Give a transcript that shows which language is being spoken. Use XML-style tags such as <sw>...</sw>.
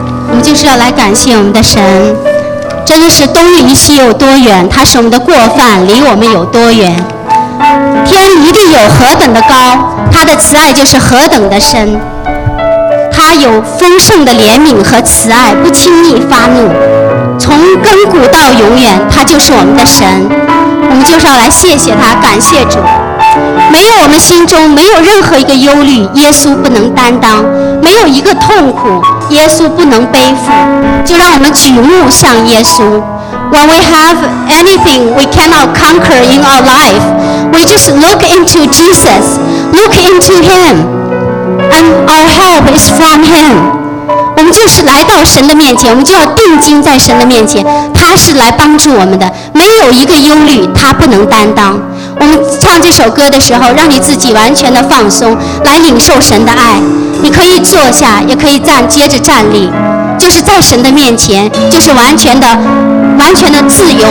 <zh>我们就是要来感谢我们的神，真的是东离西有多远，他是我们的过犯离我们有多远，天一定有何等的高，他的慈爱就是何等的深，他有丰盛的怜悯和慈爱，不轻易发怒，从亘古到永远他就是我们的神。我们就是要来谢谢他，感谢主。没有我们心中没有任何一个忧虑耶稣不能担当，没有一个痛苦耶稣不能背负，就让我们举目向耶稣。</zh> <en>When we have anything we cannot conquer in our life, we just look into Jesus, look into him, and our help is from him.</en> <zh>我们就是来到神的面前，我们就要定睛在神的面前，他是来帮助我们的，没有一个忧虑他不能担当。我们唱这首歌的时候，让你自己完全的放松，来领受神的爱。你可以坐下，也可以站，接着站立，就是在神的面前，就是完全的、完全的自由。</zh>